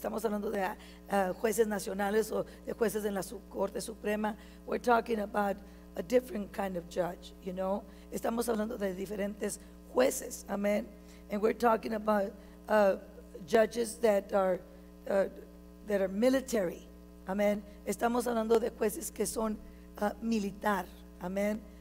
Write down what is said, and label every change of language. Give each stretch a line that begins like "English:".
Spanish: Estamos hablando de jueces nacionales o de jueces en la Corte Suprema.
English: We're talking about a different kind of judge, you know?
Spanish: Estamos hablando de diferentes jueces,
English: amen? And we're talking about judges that are military, amen?
Spanish: Estamos hablando de jueces que son militar, amen?